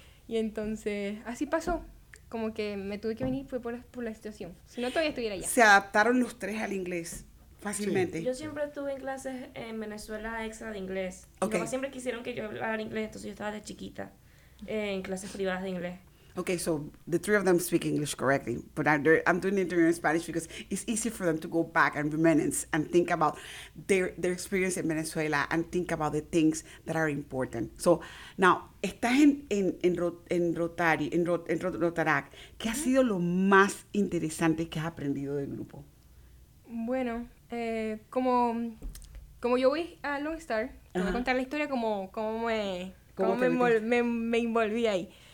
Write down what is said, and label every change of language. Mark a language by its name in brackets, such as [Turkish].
[Spanish] Y entonces, así pasó. Como que me tuve que venir, fue por la situación. Si no, todavía estuviera allá. Se adaptaron los tres al inglés. Fácilmente. Sí. Yo siempre estuve en clases en Venezuela extra de inglés. Okay. Como siempre quisieron que yo hablara inglés, entonces yo estaba de chiquita en clases privadas de inglés. [English] Okay, so the three of them speak English correctly, but I'm doing the interview in Spanish because it's easy for them to go back and reminisce and think about their experience in Venezuela and think about the things that are important. So now, [Spanish] estás en Rotarac. ¿Qué ha sido lo más interesante que has aprendido del grupo? Bueno, como yo voy a Lone Star, te voy a contar la historia como me envolví ahí.